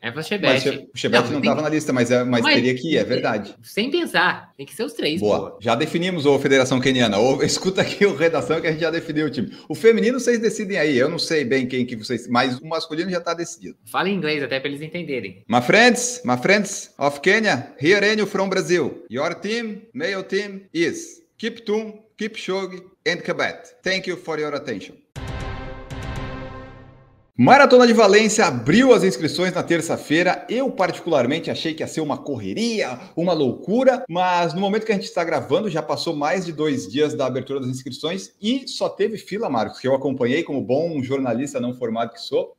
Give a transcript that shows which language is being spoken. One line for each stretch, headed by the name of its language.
Portuguese: É o Chebet. O Chebet não tava na lista, mas teria que ir, é verdade. Sem pensar. Tem que ser os três. Boa. Pô. Já definimos, ô Federação Queniana. Ô, escuta aqui o redação que a gente já definiu o time. O feminino vocês decidem aí. Eu não sei bem quem que vocês... Mas o masculino já tá decidido. Fala em inglês até pra eles entenderem.
English: My friends of Kenya, here Enio from Brazil. Your team, male team is Kiptum, Kipchoge and Kebet. Thank you for your attention.
Portuguese: Maratona de Valência abriu as inscrições na terça-feira. Eu particularmente achei que ia ser uma correria, uma loucura, mas no momento que a gente está gravando já passou mais de 2 dias da abertura das inscrições e só teve fila, Marcos, que eu acompanhei como bom jornalista não formado que sou.